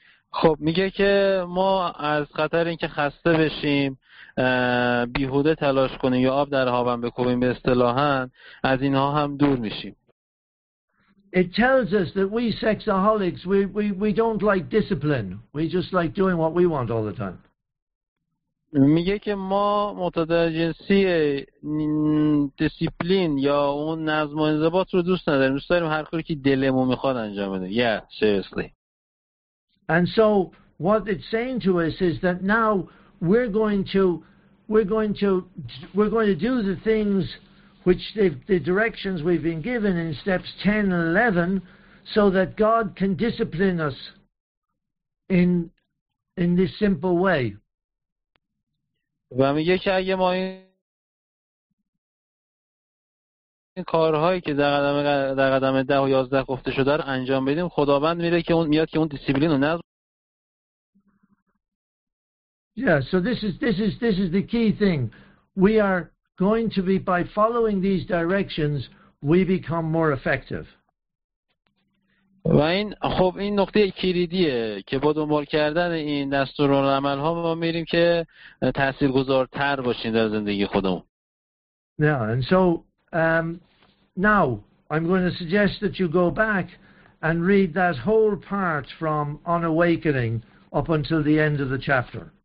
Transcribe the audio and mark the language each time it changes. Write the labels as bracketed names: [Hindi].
[Persian] خب میگه که ما از خطر اینکه خسته بشیم, بیهوده تلاش کنیم یا آب در هاون بکوبیم به اصطلاح, از اینها هم دور میشیم. [English] It tells us that we sexaholics, we don't like discipline. We just like doing what we want all the time. [Persian] میگه که ما معتاد جنسی دیسیپلین یا اون نظم و انضباط رو دوست نداریم, دوست داریم هر کاری که دلمون میخواد انجام بدیم. [English] Yeah, seriously. And so what it's saying to us is that now we're going to do the things which the directions we've been given in steps 10 and 11 so that God can discipline us in this simple way. [Persian] و میگه که اگه ما این این کارهایی که در قدم 10 و 11 گفته شده رو انجام بدیم، خداوند میره که اون میاد که اون دیسیپلین رو نظم. [English] Yeah, so this is the key thing. We are going to be, by following these directions, we become more effective. [Persian] و این خب این نقطه کلیدیه که با دنبال کردن این دستورالعمل ها ما میریم که تاثیرگذارتر باشیم در زندگی خودمون. [English] Yeah, and so now I'm going to suggest that you go back and read that whole part from On Awakening up until the end of the chapter.